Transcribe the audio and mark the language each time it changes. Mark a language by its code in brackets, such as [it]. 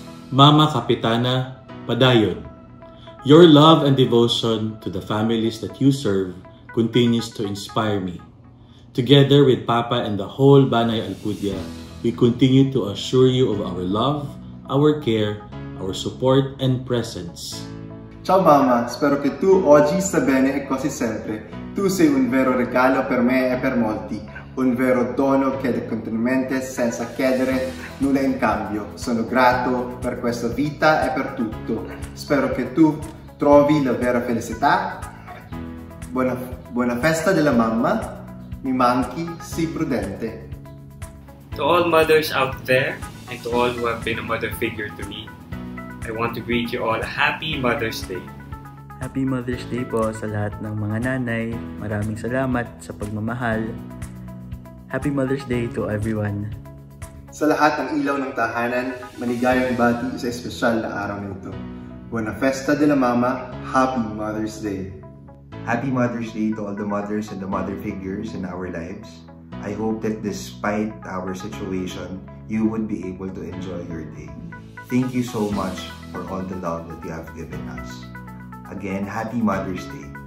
[en] Mama Kapitana Padayon, your love and devotion to the families that you serve continues to inspire me. Together with Papa and the whole Banay Alcudia, we continue to assure you of our love, our care, our support, and presence. [it] Ciao Mama, spero che tu oggi sta bene e così sempre. Tu sei un vero regalo per me e per molti. Un vero dono chiede continuamente senza chiedere nulla in cambio. Sono grato per questa vita e per tutto. Spero che tu trovi la vera felicità. Buona festa della mamma, mi manchi, sii prudente. [en] To all mothers out there, and to all who have been a mother figure to me, I want to greet you all a happy Mother's Day. Happy Mother's Day [tl] po sa lahat ng mga nanay. Maraming salamat sa pagmamahal. [en] Happy Mother's Day to everyone. [tl] Sa lahat ng ilaw ng tahanan, manigayang bati sa espesyal na araw nito. [it] Buona festa della mamma, [en] happy Mother's Day. Happy Mother's Day to all the mothers and the mother figures in our lives. I hope that despite our situation, you would be able to enjoy your day. Thank you so much for all the love that you have given us. Again, happy Mother's Day.